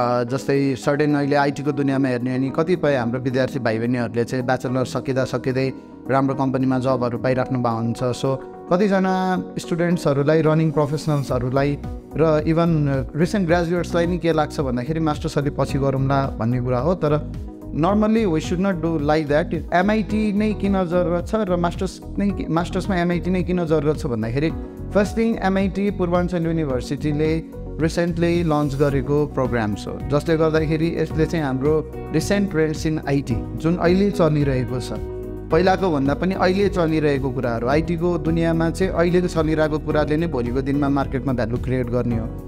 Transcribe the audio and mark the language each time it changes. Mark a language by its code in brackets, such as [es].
[ne] जस्तै सर्टेन अहिले आइटीको दुनियाँमा हेर्ने अनि कतिपय हाम्रो विद्यार्थी भाइ बहिनीहरूले चाहिँ ब्याचलर सकिँदा सकिँदै राम्रो कम्पनीमा जबहरू पाइराख्नु भएको हुन्छ. सो कतिजना स्टुडेन्ट्सहरूलाई रनिङ प्रोफेसनल्सहरूलाई र इभन रिसेन्ट ग्रेजुएट्सलाई नि के लाग्छ भन्दाखेरि मास्टर्स अलिक पछि गरौँला भन्ने कुरा हो. [en] तर normally we should not do like that. [ne] MIT नै किन जरुरत छ र मास्टर्समा एमआइटी नै किन जरुरत छ भन्दाखेरि first thing MIT Purvanchal युनिभर्सिटीले recently lunch गरेको प्रोग्राम्स हो जसले गर्दाखेरि यसले चाहिँ हाम्रो रिसेन्ट ट्रेन्ड्स इन आइटी जुन अहिले चलिरहेको छ पहिलाको भन्दा पनि अहिले चलिरहेको कुराहरू आइटीको दुनियाँमा चाहिँ अहिलेको चलिरहेको कुराले नै भोलिको दिनमा मार्केटमा भ्यालु क्रिएट गर्ने हो.